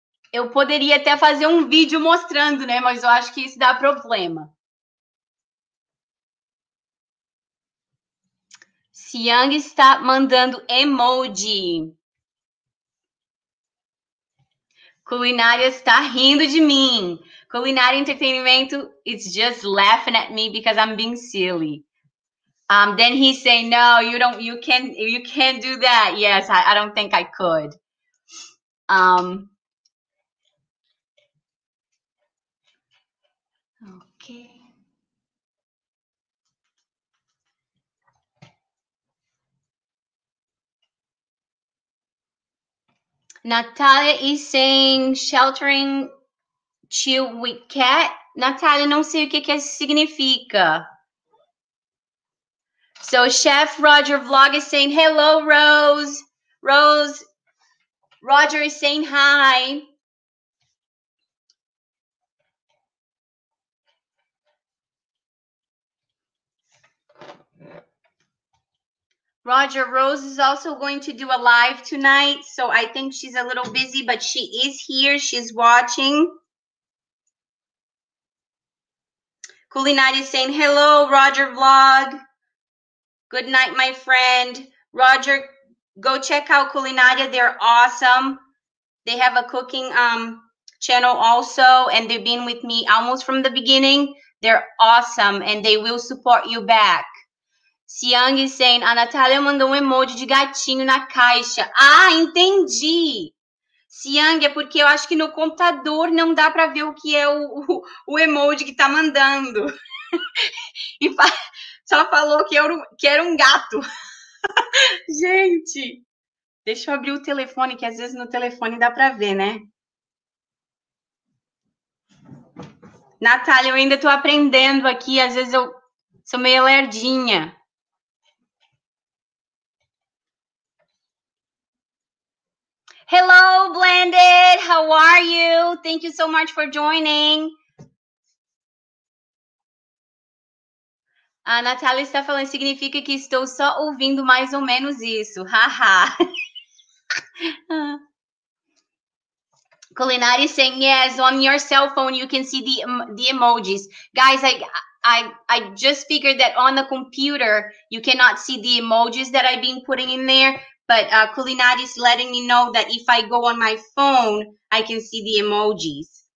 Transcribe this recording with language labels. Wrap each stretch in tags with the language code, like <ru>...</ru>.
<pt>Eu poderia até fazer um vídeo mostrando, né? Mas eu acho que isso dá problema. Siang está mandando emoji. Culinária está rindo de mim.</pt> <en>Culinária entretenimento, it's just laughing at me because I'm being silly. Then he say, no, you can't do that. Yes, I don't think I could. Okay. Natália is saying sheltering chill with cat.</en> <pt>Natália, não sei o que que significa.</pt> <en>So Chef Roger Vlog is saying, hello, Rose. Rose, Roger is saying hi. Roger, Rose is also going to do a live tonight. So I think she's a little busy, but she is here. She's watching. Culinária is saying, hello, Roger Vlog. Good night, my friend. Roger, go check out Culinária. They're awesome. They have a cooking channel also, and they've been with me almost from the beginning. They're awesome, and they will support you back. Siang is saying,</en> <pt>a Natália mandou um emoji de gatinho na caixa. Ah, entendi. Siang, é porque eu acho que no computador não dá para ver o que é o emoji que tá mandando. E só falou que era um gato. Gente, deixa eu abrir o telefone, que às vezes no telefone dá para ver, né? Natália, eu ainda estou aprendendo aqui, às vezes eu sou meio lerdinha.</pt> <en>Hello, Blended. How are you? Thank you so much for joining.</en> <pt>A Natália está falando, significa que estou só ouvindo mais ou menos isso. Haha.</pt> <en>Culinary is saying, yes, on your cell phone, you can see the emojis. Guys, I just figured that on the computer, you cannot see the emojis that I've been putting in there. But Culinary is letting me know that if I go on my phone, I can see the emojis.</en>